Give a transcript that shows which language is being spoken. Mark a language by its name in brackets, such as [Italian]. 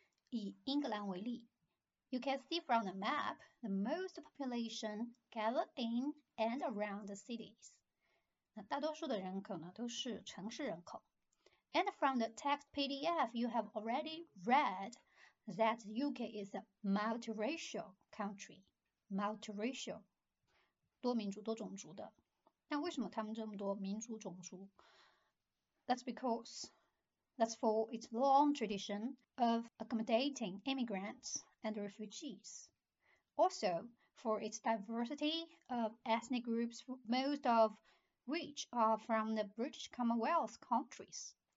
[Chinese] 以 England 为例 [English] ，You can see from the map the most population gathered in and around the cities. [Chinese] 那大多数的人口呢都是城市人口。 [English] And from the text PDF, you have already read that the UK is a multiracial country. [Chinese] Multiracial, 多民族多种族的。那为什么他们这么多民族种族？ [English] That's for its long tradition of accommodating immigrants and refugees. Also, for its diversity of ethnic groups, most of which are from the British Commonwealth countries.